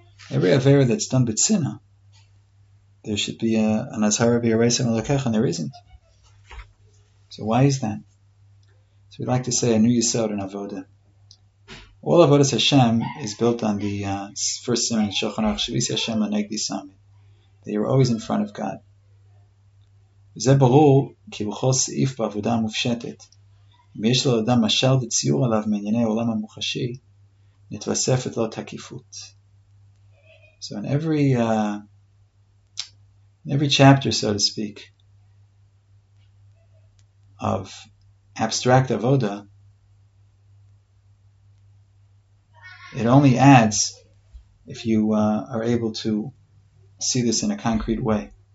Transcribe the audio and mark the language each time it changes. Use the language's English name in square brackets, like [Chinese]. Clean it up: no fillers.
[English] Every Avera that's done Bitsina, there should be an Azhara B'Yareisim Elokecha, and there isn't. So why is that? So we'd like to say a new Yisod in Avoda. All Avodas Hashem is built on the first Siman Shulchan Aruch, [Hebrew] Shavisi Hashem L'Negdi Samid, [English] that you're always in front of God. [Hebrew] זה ברור כי בכל סעיף בעבודה מופשטת, אם יש לו אדם משל וציור עליו מענייני עולם המוחשי, נתווספת לו תקיפות. [English] So in every chapter, so to speak, of abstract avoda, it only adds if you are able to see this in a concrete way.